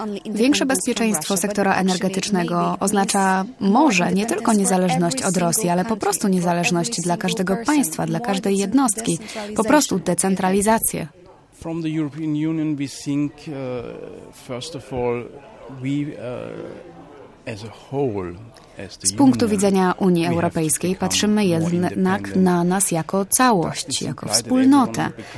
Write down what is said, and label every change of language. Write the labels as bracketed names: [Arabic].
[Polish] Większe bezpieczeństwo sektora energetycznego oznacza może nie tylko niezależność od Rosji, ale po prostu niezależność dla każdego państwa, dla każdej jednostki, po prostu decentralizację. [English] From the European Union we think first of all we as a whole. [Polish] Z punktu widzenia Unii Europejskiej patrzymy jednak na nas jako całość, jako wspólnotę.